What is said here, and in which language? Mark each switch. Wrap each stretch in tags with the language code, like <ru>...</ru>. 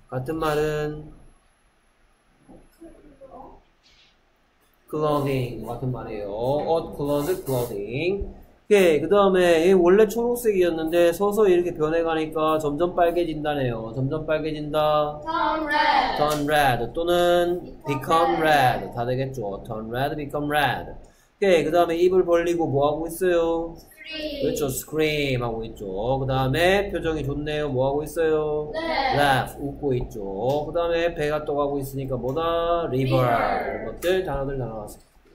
<ko>같은 말은 clothing 같은 말이에요.</ko> <en>Odd clothes, clothing. 오케이.</en> <ko>그 다음에 원래 초록색이었는데 서서히 이렇게 변해가니까 점점 빨개진다네요. 점점 빨개진다.</ko> <en>Turn red. Turn red.</en> <ko>또는</ko> <en>become red.</en> <ko>다 되겠죠.</ko> <en>Turn red, become red.</en> <ko>오케이. 그 다음에 입을 벌리고 뭐하고 있어요?</ko> <en>Scream.</en> <ko>그렇죠. Scream 하고 있죠. 그 다음에 표정이 좋네요. 뭐하고 있어요?</ko> <en>Laugh.</en> <ko>Laugh. 웃고 있죠. 그 다음에 배가 떠가고 있으니까 뭐다?</ko> <en>River.</en> <ko>이런 것들 단어들 나눠봤습니다.</ko>